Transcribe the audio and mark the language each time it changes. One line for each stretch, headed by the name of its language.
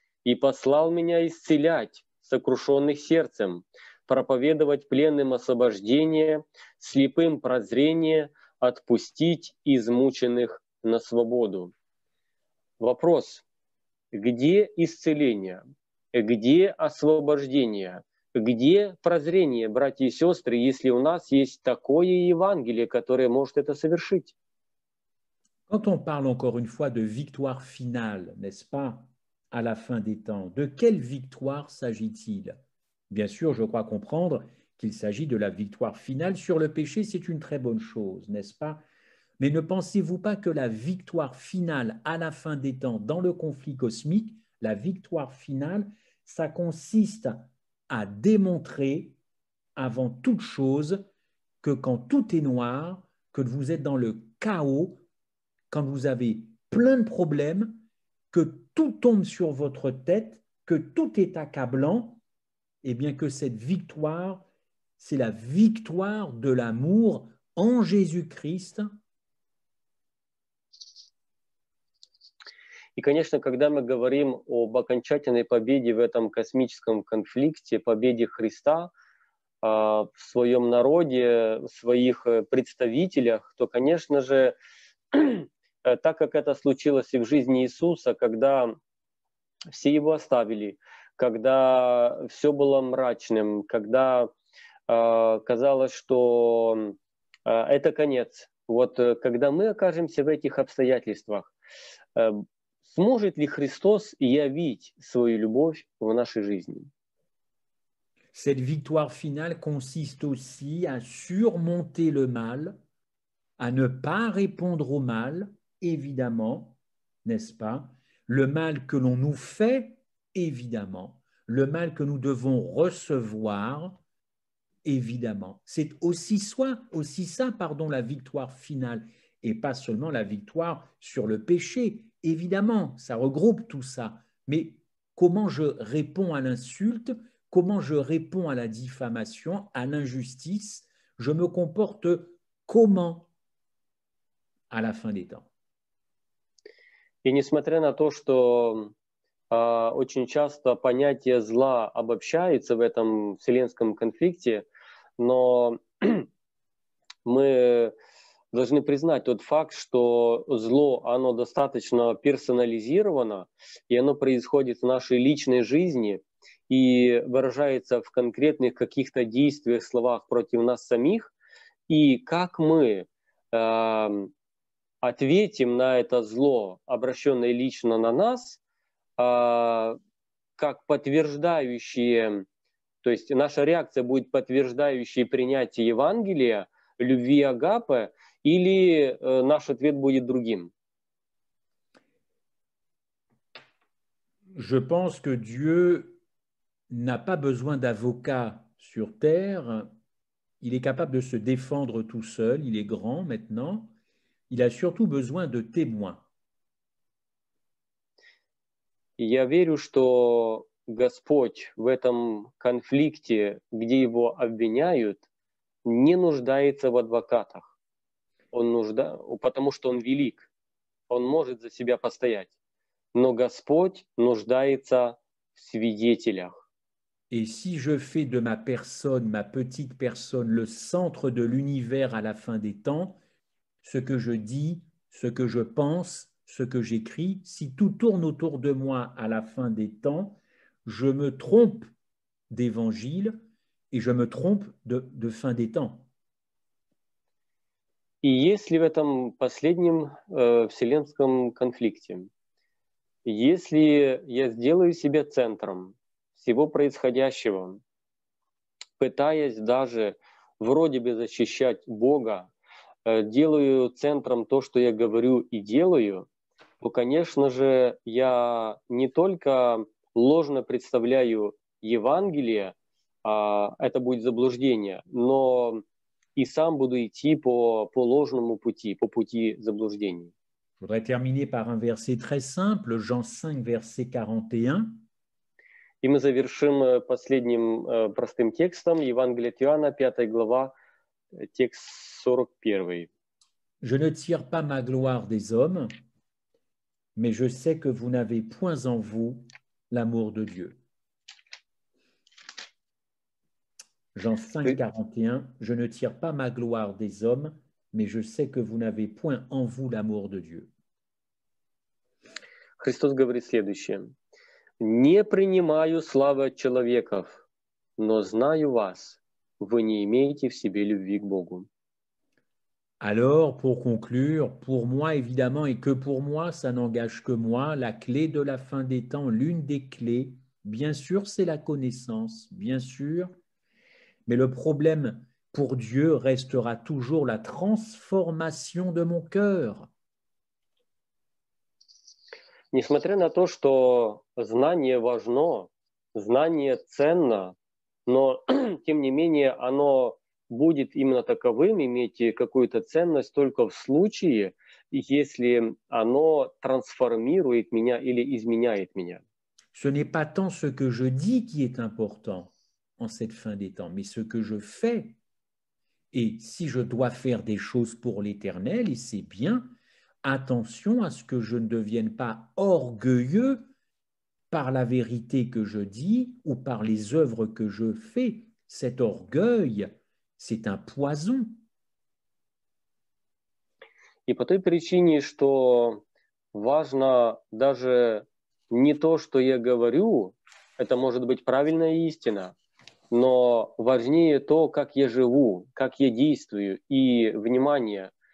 Russian: и послал меня исцелять сокрушенных сердцем, проповедовать пленным освобождение, слепым прозрение, отпустить измученных на свободу». Вопрос. Где исцеление? Где освобождение? Где прозрение, братья и сестры, если у нас есть такое Евангелие, которое может это совершить?
French: Quand on parle encore une fois de victoire finale, n'est-ce pas, à la fin des temps, de quelle victoire s'agit-il? Bien sûr, je crois comprendre qu'il s'agit de la victoire finale sur le péché, c'est une très bonne chose, n'est-ce pas? Mais ne pensez-vous pas que la victoire finale à la fin des temps dans le conflit cosmique, la victoire finale, ça consiste à démontrer avant toute chose que quand tout est noir, que vous êtes dans le chaos, quand vous avez plein de problèmes, que tout tombe sur votre tête, que tout est accablant, et bien que cette victoire, c'est la victoire de l'amour en Jésus-Christ.
Russian: И, конечно, когда мы говорим об окончательной победе в этом космическом конфликте, победе Христа в своем народе, в своих представителях, то, конечно же, так как это случилось и в жизни Иисуса, когда все его оставили, когда все было мрачным, когда казалось, что это конец. Вот когда мы окажемся в этих обстоятельствах, сможет ли Христос явить свою любовь в нашей жизни?
French: Cette victoire finale consiste aussi à surmonter le mal, à ne pas répondre au mal, évidemment, n'est-ce pas? Le mal que l'on nous fait, évidemment. Le mal que nous devons recevoir, évidemment. C'est aussi ça, la victoire finale, et pas seulement la victoire sur le péché. Évidemment, ça regroupe tout ça. Mais comment je réponds à l'insulte? Comment je réponds à la diffamation, à l'injustice? Je me comporte comment à la fin des temps? Et
Russian: несмотря на то, что очень часто понятие зла обобщается в этом вселенском конфликте, но мы должны признать тот факт, что зло, оно достаточно персонализировано, и оно происходит в нашей личной жизни и выражается в конкретных каких-то действиях, словах против нас самих. И как мы ответим на это зло, обращенное лично на нас, как подтверждающие, то есть наша реакция будет подтверждающей принятие Евангелия, любви агапы, или наш ответ будет другим?
French: Je pense que Dieu n'a pas besoin d'avocat sur terre. Il est capable de se défendre tout seul. Il est grand maintenant. Il a surtout besoin de témoins.
Russian: Я верю, что Господь в этом конфликте, где его обвиняют, не нуждается в адвокатах. Потому что он велик, он может за себя постоять. Но Господь нуждается в свидетелях.
French: Et si je fais de ma personne, ma petite personne, le centre de l'univers à la fin des temps, ce que je dis, ce que je pense, ce que j'écris, si tout tourne autour de moi à la fin des temps, je me trompe d'évangile et je me trompe de fin des temps.
Russian: И если в этом последнем вселенском конфликте, если я сделаю себя центром всего происходящего, пытаясь даже вроде бы защищать Бога, делаю центром то, что я говорю и делаю, то, конечно же, я не только ложно представляю Евангелие, это будет заблуждение, но и сам буду идти по ложному пути, по пути заблуждения.
French: Je voudrais terminer par un verset très simple, Jean 5, verset 41.
Russian: И мы завершим последним простым текстом, Евангелие от Иоанна, 5 глава, текст 41.
French: Je ne tire pas ma gloire des hommes, mais je sais que vous n'avez point en vous l'amour de Dieu. Jean 5, 41, « Je ne tire pas ma gloire des hommes, mais je sais que vous n'avez point en vous l'amour de Dieu. »
Russian: Христос говорит следующее. «Не принимаю славы от человеков, но знаю вас, вы не имеете в себе любви к Богу».
French: Alors, pour conclure, pour moi, évidemment, et que pour moi, ça n'engage que moi, la clé de la fin des temps, l'une des clés, bien sûr, c'est la connaissance, bien sûr, mais le problème pour Dieu restera toujours la transformation de mon cœur.
Russian: Несмотря на то, что знание важно, знание ценно, но, тем не менее, оно будет именно таковым, иметь какую-то ценность только в случае, если оно трансформирует меня или изменяет меня.
French: Ce n'est pas tant ce que je dis qui est important en cette fin des temps, mais ce que je fais. Et si je dois faire des choses pour l'Éternel, et c'est bien, attention à ce que je ne devienne pas orgueilleux par la vérité que je dis ou par les œuvres que je fais. Cet orgueil, c'est un poison.
Russian: И по той причине, что важно даже не то, что я говорю, это может быть правильная истина, но важнее то, как я живу, как я действую, и внимание.